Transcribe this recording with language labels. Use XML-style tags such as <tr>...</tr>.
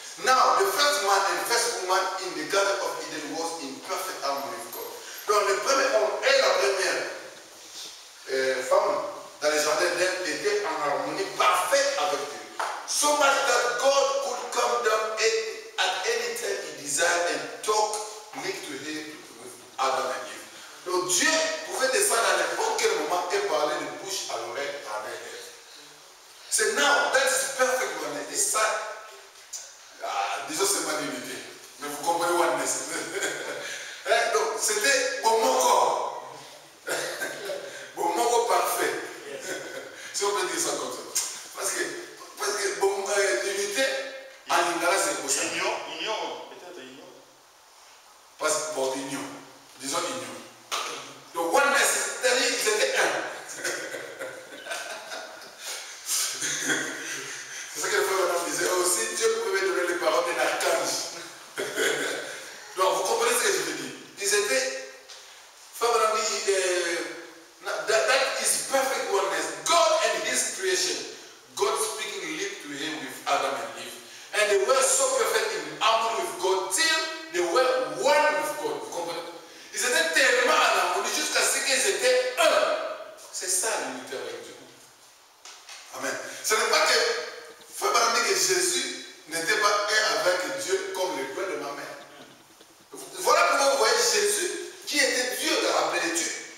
<en>Now, the first man and first woman in the Garden of Eden was in perfect harmony with God.</en> <fr>Donc, le premier homme et la première femme dans les jardins d'Eden étaient en harmonie parfaite avec Dieu.</fr> <en>So much that God could come down at any time he desired and talk, meet to him with Adam and Eve.</en> <fr>Donc, Dieu pouvait descendre à n'importe quel moment et parler de bouche à l'oreille avec Eve.</fr> <en>So now, that's the perfect one. It's time.</en> <fr>Disons c'est ma divinité, mais vous comprenez</fr> <en>oneness.</en> <fr>Hein, donc c'était bon mon corps parfait.</fr> <en>Yes.</en> <fr>Si on peut dire ça comme ça, parce que bon divinité, à l'ingala c'est pour ça. Union, peut-être union. Parce que bon union, disons union. Donc oneness, c'est-à-dire ils étaient un. C'est ça que le frère Adam disait aussi, Dieu pouvait donner les paroles d'un archange. Donc vous comprenez ce que je veux dire. Ils étaient, frère Adam dit,</fr> <en>that is perfect oneness. God and his creation. God speaking lip to him with Adam and Eve. And they were so perfect in harmony with God till they were one with God.</en> <fr>Vous comprenez? Ils étaient tellement en harmonie jusqu'à ce qu'ils étaient un. C'est ça l'unité avec Dieu. Amen. Ce n'est pas que. Frère Barambi, que Jésus n'était pas un avec Dieu comme le doigt de ma main. Voilà pourquoi vous voyez Jésus qui était Dieu dans la plénitude.</fr>